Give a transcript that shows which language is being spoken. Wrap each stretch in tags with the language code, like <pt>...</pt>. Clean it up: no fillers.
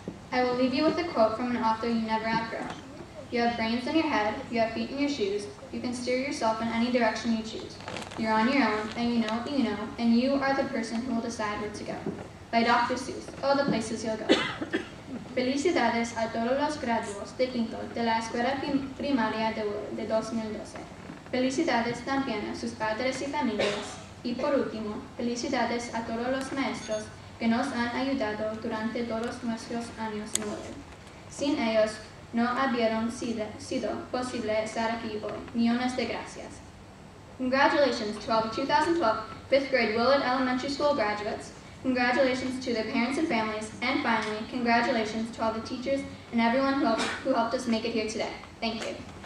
<en>I will leave you with a quote from an author you never outgrow. You have brains in your head, you have feet in your shoes, you can steer yourself in any direction you choose. You're on your own, and you know what you know, and you are the person who will decide where to go. By Dr. Seuss, oh, the places you'll go.</en> <es>Felicidades a todos los graduados de quinto de la escuela primaria de 2012. Felicidades también a sus padres y familias. Y por último, felicidades a todos los maestros que nos han ayudado durante todos nuestros años en Willard. Sin ellos, no habieron sido posible estar aquí hoy. Millones de gracias.</es> <en>Congratulations to all the 2012 fifth grade Willard Elementary School graduates. Congratulations to their parents and families. And finally, congratulations to all the teachers and everyone who helped us make it here today. Thank you.</en>